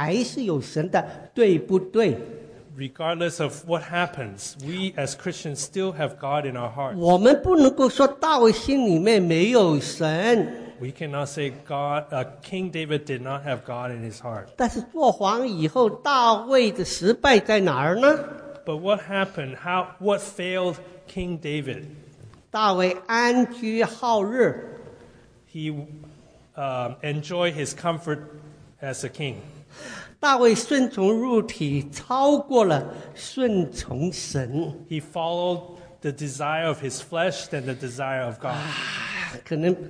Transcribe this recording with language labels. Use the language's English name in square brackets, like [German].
[Chinese] 无论怎么样讲，我们心中还是有神的，对不对？ [English] Regardless of what happens, we as Christians still have God in our hearts. [Chinese] 我们不能够说大卫心里面没有神。 [English] We cannot say God, King David did not have God in his heart. [Chinese] 但是做皇以后，大卫的失败在哪儿呢？ [English] But what happened? What failed King David? [Chinese] 大卫安居好日。 [English] He enjoy his comfort as a king. [Chinese] 大卫顺从肉体超过了顺从神。 [English] He followed the desire of his flesh than the desire of God.